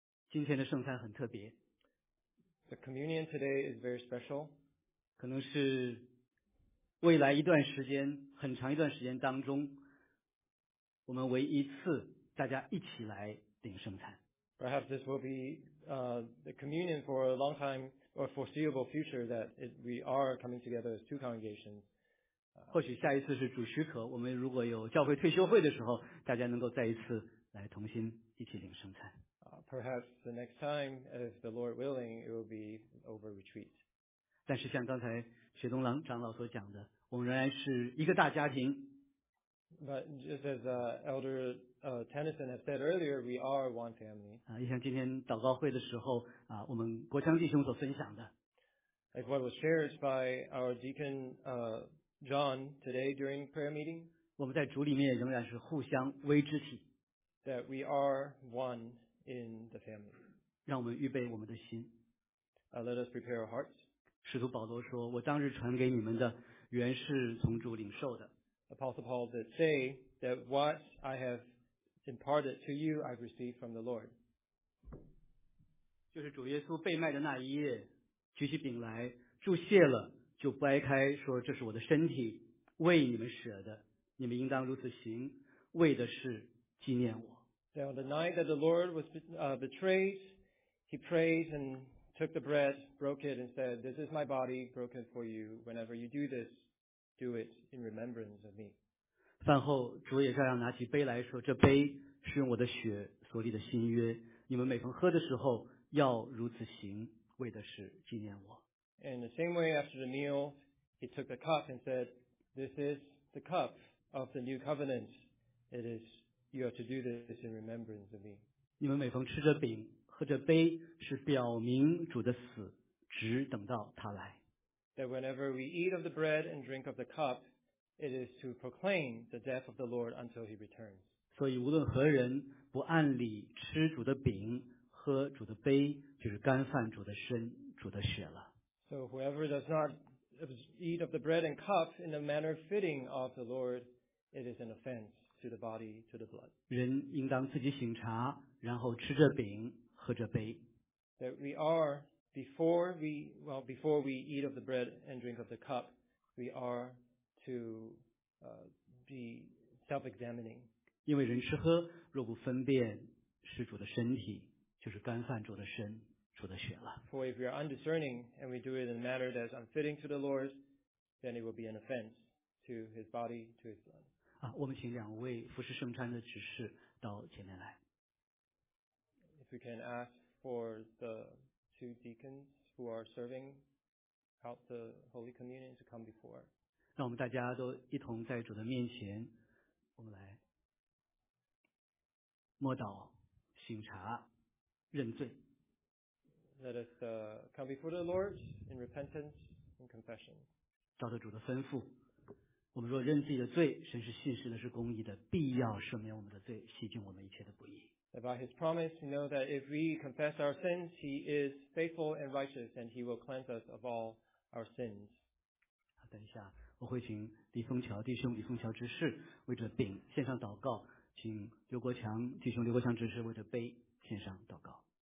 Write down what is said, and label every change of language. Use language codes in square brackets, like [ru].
[zh] 今天的圣餐很特别。 [en] The communion today is very special. [zh] 可能是未来一段时间，很长一段时间当中，我们唯一次大家一起来领圣餐。 [en] Perhaps this will be the communion for a long time or foreseeable future that we are coming together as two congregations. [zh] 或许下一次是主许可，我们如果有教会退休会的时候，大家能够再一次来同心一起领圣餐。 [en] Perhaps the next time, if the Lord willing, it will be over retreat. [zh] 但是像刚才雪东郎长老所讲的，我们仍然是一个大家庭。 [en] But just as Elder Tennyson has said earlier, we are one family. [zh] 像今天祷告会的时候，我们国强弟兄所分享的。 [en] Like what was shared by our deacon John today during prayer meeting. [zh] 我们在主里面仍然是互相为肢体。 [en] That we are one in the family. [zh] 让我们预备我们的心。 [en] Let us prepare our hearts. [zh] 使徒保罗说，我当日传给你们的原是从主领受的。 [en] Apostle Paul did say that what I have imparted to you I've received from the Lord. [zh] 就是主耶稣被卖的那一夜，举起饼来，祝谢了，就掰开，说这是我的身体，为你们舍的，你们应当如此行，为的是纪念我。 [en] Now the night that the Lord was betrayed, he prayed and took the bread, broke it and said, this is my body broken for you. Whenever you do this, do it in remembrance of me. [zh] 饭后主也照样拿起杯来说，这杯是用我的血所立的新约，你们每逢喝的时候要如此行，为的是纪念我。 [en] In the same way, after the meal, he took the cup and said, this is the cup of the new covenant. It is you are to do this in remembrance of me. [zh] 你们每逢吃着饼喝着杯，是表明主的死，只等到他来。 [en] That whenever we eat of the bread and drink of the cup, it is to proclaim the death of the Lord until he returns. [zh] 所以无论何人不按理吃主的饼喝主的杯，就是干饭主的身主的血了。 [en] So whoever does not eat of the bread and cup in the manner fitting of the Lord, it is an offense to the body, to the blood. [zh] 人应当自己省察，然后吃着饼喝着杯。 [en] That we are before we eat of the bread and drink of the cup, we are to be self-examining. [zh] 因为人吃喝若不分辨是主的身体，就是干饭主的身主的血了。 [en] For if we are undiscerning and we do it in a manner that is unfitting to the Lord, then it will be an offense to his body, to his blood. [zh] 我们请两位服侍圣餐的执事到前面来。 [en] If we can ask for the two deacons who are serving out the Holy Communion to come before. [zh] 让我们大家都一同在主的面前，我们来默祷、省察、认罪。 [en] Let us come before the Lord in repentance and confession. [zh] 照着主的吩咐，我们若认自己的罪，神是信实的，是公义的，必要赦免我们的罪，洗净我们一切的不义。 [en] By his promise, we know that if we confess our sins, he is faithful and righteous, and he will cleanse us of all our sins. [zh] 等一下，我会请李松桥弟兄、李松桥执事为着饼献上祷告，请刘国强弟兄、刘国强执事为着杯献上祷告。